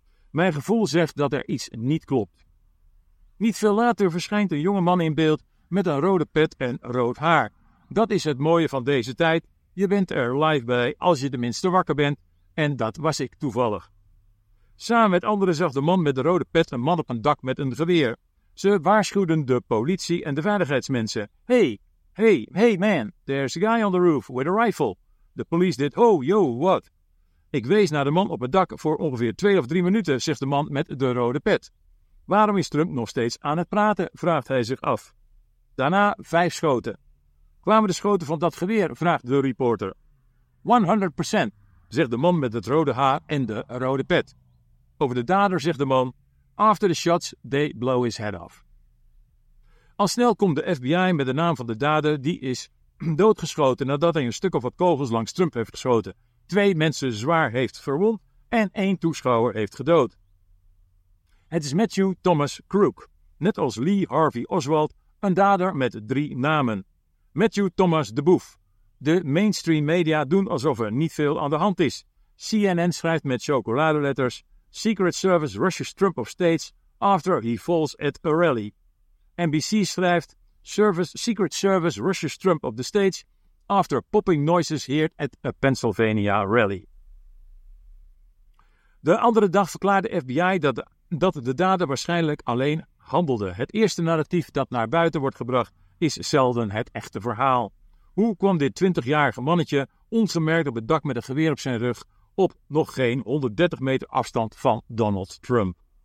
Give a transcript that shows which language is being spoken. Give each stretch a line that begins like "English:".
Dutch: Mijn gevoel zegt dat er iets niet klopt. Niet veel later verschijnt een jonge man in beeld met een rode pet en rood haar. Dat is het mooie van deze tijd. Je bent er live bij als je tenminste wakker bent. En dat was ik toevallig. Samen met anderen zag de man met de rode pet een man op een dak met een geweer. Ze waarschuwden de politie en de veiligheidsmensen.
English: "Hey, hey, hey man, there's a guy on the roof with a rifle." De police did, "Oh, yo, what?"
Dutch: "Ik wees naar de man op het dak voor ongeveer 2 of 3 minuten, zegt de man met de rode pet. Waarom is Trump nog steeds aan het praten, vraagt hij zich af. Daarna 5 schoten. Kwamen de schoten van dat geweer, vraagt de reporter. 100%. Zegt de man met het rode haar en de rode pet. Over de dader zegt de man:
English: "After the shots, they blow his head off."
Dutch: Al snel komt de FBI met de naam van de dader, die is doodgeschoten nadat hij een stuk of wat kogels langs Trump heeft geschoten, 2 mensen zwaar heeft verwond en 1 toeschouwer heeft gedood. Het is Matthew Thomas Crook, net als Lee Harvey Oswald, een dader met 3 namen. Matthew Thomas de Boef. De mainstream media doen alsof er niet veel aan de hand is.
English: CNN
Dutch: schrijft met chocoladeletters:
English: "Secret Service rushes Trump of States after he falls at a rally." NBC schrijft: "Secret Service rushes Trump of the States after popping noises heard at a Pennsylvania rally."
Dutch: De andere dag verklaarde FBI dat de dader waarschijnlijk alleen handelde. Het eerste narratief dat naar buiten wordt gebracht is zelden het echte verhaal. Hoe kwam dit 20-jarige mannetje ongemerkt op het dak met een geweer op zijn rug op nog geen 130 meter afstand van Donald Trump?